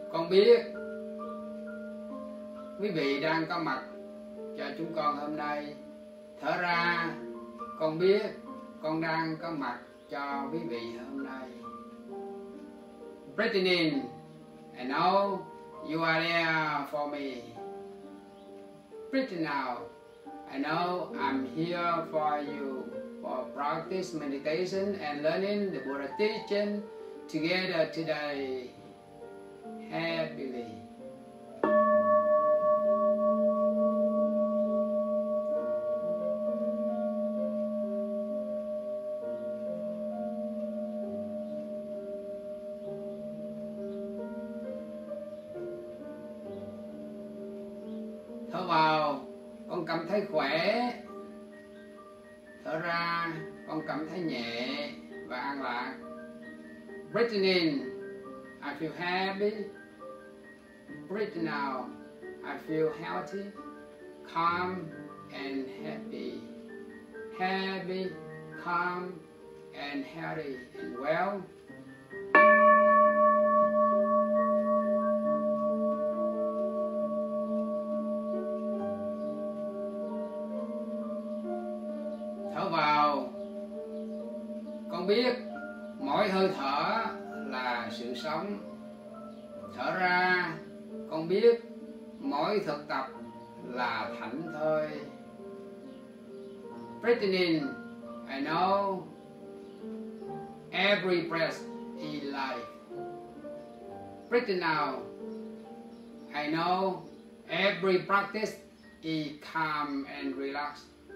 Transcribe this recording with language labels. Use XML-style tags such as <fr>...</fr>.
<vi>Biết quý vị đang có mặt cho chúng con hôm nay. Thở ra, con biết con đang có mặt cho quý vị hôm nay.</vi> <en>Breathing in, I know you are there for me. Breathing out, I know I'm here for you, for practice meditation and learning the Buddha teaching together today. Happily.</en> <vi>Thở vào, con cảm thấy khỏe. Thở ra, con cảm thấy nhẹ và an lạc.</vi> <en>Breathing in, I feel happy. Breathing out, I feel healthy, calm, and happy. Happy, calm, and healthy, and well.</en> <vi>Thở vào. Con biết mỗi hơi thở là sự sống. Thở ra. Con biết mỗi thực tập là thảnh thơi.</vi> <en>Breathing in, I know every breath is life. Breathing out, I know every practice is calm and relaxed.</en>